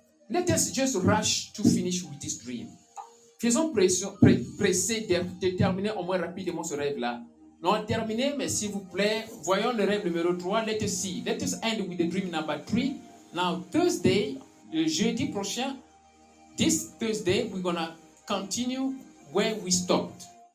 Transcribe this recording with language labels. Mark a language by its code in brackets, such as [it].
[en] Let us just rush to finish with this dream. [fr] Faisons pressé de terminer au moins rapidement ce rêve-là. Non, terminé, mais s'il vous plaît, voyons le rêve numéro 3. [en] Let us see. Let us end with the dream number 3. Now, Thursday, [fr] le jeudi prochain, [en] this Thursday, we're going to continue where we stopped.